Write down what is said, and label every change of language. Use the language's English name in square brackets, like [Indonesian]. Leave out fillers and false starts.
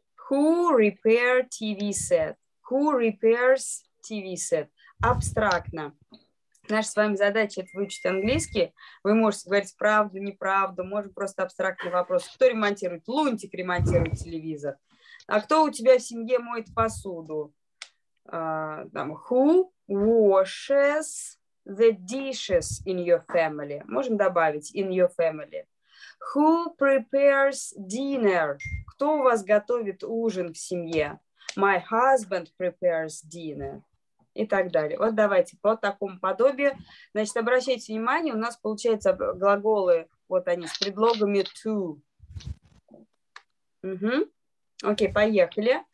[English] Who repair TV set? Who repairs TV set? [Russian] Абстрактно. Наша с вами задача – это выучить английский. Вы можете говорить правду, неправду, может просто абстрактный вопрос. Кто ремонтирует? Лунтик ремонтирует телевизор. А кто у тебя в семье моет посуду? Там, [English] who washes the dishes in your family? [Russian] Можем добавить [English] in your family. Who prepares dinner? [Russian] Кто у вас готовит ужин в семье? [English] My husband prepares dinner. [Russian] И так далее. Вот давайте по такому подобию. Значит, обращайте внимание, у нас получаются глаголы, вот они, с предлогами to. Угу. Окей, поехали.